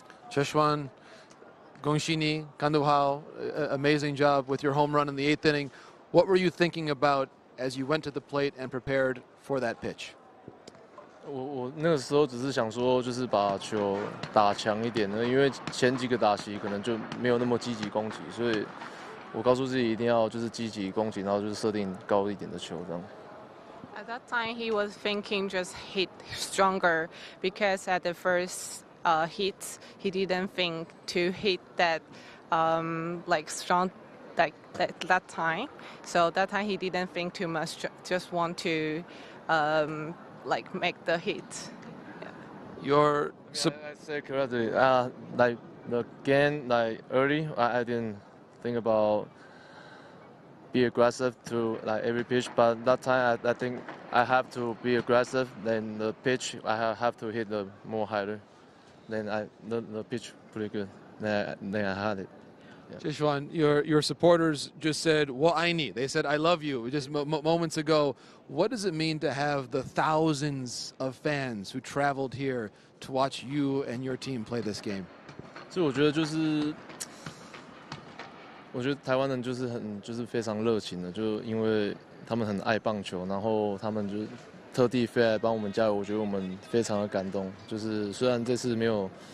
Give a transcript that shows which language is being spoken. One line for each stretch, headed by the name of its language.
English: Che Hsuan,
Chinese: 恭喜你，干得好
English: ，amazing job with your home run in the eighth inning. What were you thinking about as you went to the plate and prepared for that pitch?
Chinese: 我那个时候只是想说，就是把球打强一点的，因为前几个打席可能就没有那么积极攻击，所以我告诉自己一定要就是积极攻击，然后就是设定高一点的球这样。
English: At that time, he was thinking just hit stronger because at the first hit, he didn't think to hit that like strong like that time. So that time he didn't think too much, just want to. Like make the hit. Yeah. Your I said correctly. Like the game, like early, I didn't think about be aggressive to like every pitch. But that time, I think I have to be aggressive. Then the pitch, I have to hit the more higher. Then the pitch pretty good. Then I had it. Che Hsuan, your supporters just said,
Chinese: "Wo ai ni."
English: They said, "I love you." Just moments ago, what does it mean to have the thousands of fans who traveled here to watch you and your team play this game?
Chinese: 所以我觉得台湾人就是非常热情的，就因为他们很爱棒球，然后他们就特地飞来帮我们加油。我觉得我们非常的感动，就是虽然这次没有。